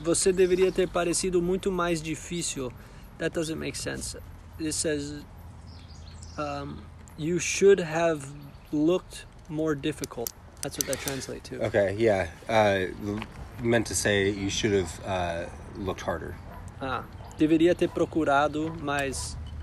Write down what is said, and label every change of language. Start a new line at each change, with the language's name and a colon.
Portuguese: Você deveria ter parecido muito mais difícil.
English: That doesn't make sense. It says, you should have looked more difficult. That's what that translates to. Okay, yeah. Meant to say you should have looked harder. Ah.
Portuguese: Deveria ter procurado mais...